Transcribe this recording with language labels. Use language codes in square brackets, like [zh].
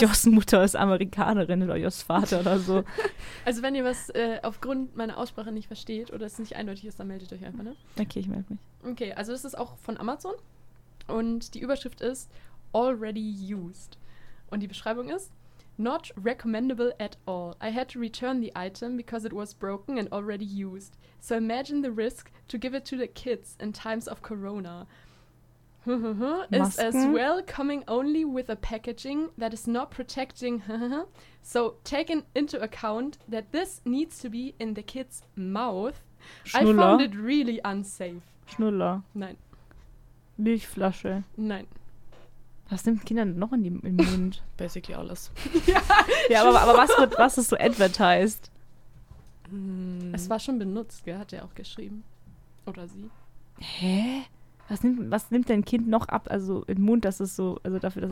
[de] Joshs Mutter ist Amerikanerin oder Joshs Vater oder so. Also, wenn ihr was aufgrund meiner Aussprache nicht versteht oder es nicht eindeutig ist, dann meldet euch einfach, ne? Okay, ich melde mich. Okay, also, das ist auch von Amazon. Und die Überschrift ist [en] Already Used. [de] Und die Beschreibung ist [en] Not recommendable at all. I had to return the item because it was broken and already used. So imagine the risk to give it to the kids in times of Corona. Is as well coming only with a packaging that is not protecting. So taken into account that this needs to be in the kid's mouth. [de] Schnuller. [en] I found it really unsafe. [de] Schnuller. Nein. Milchflasche. Nein. Was nimmt Kinder noch in den Mund? Basically alles. Ja, aber was ist so advertised? Es war schon benutzt, gell? Hat er auch geschrieben. Oder sie. Hä? Was nimmt dein Kind noch ab, also im Mund, dass es so, also dafür, dass